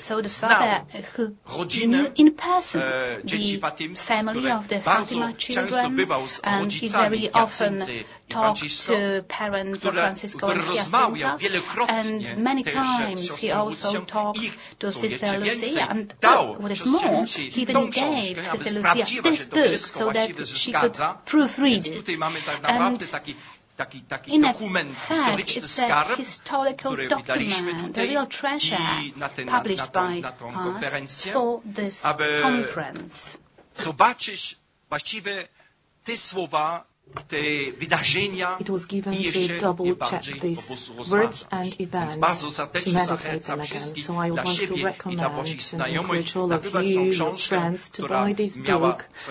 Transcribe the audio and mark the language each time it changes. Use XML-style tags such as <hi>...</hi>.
<en>So the father who knew in person the family of the Fatima children, and he very often talked to parents of Francisco and Jacinta, and many times he also talked to Sister Lucia, and what is more, he even gave Sister Lucia this book so that she could proofread it. And In fact, it's a historical document, the real treasure published by us for this conference.</en> <pl>Zobaczysz właściwe te słowa, te wydarzenia.</pl> <en>It was given to double check these words and events to meditate on again. So I would like to recommend and encourage all of you, your friends, to buy this book.</en>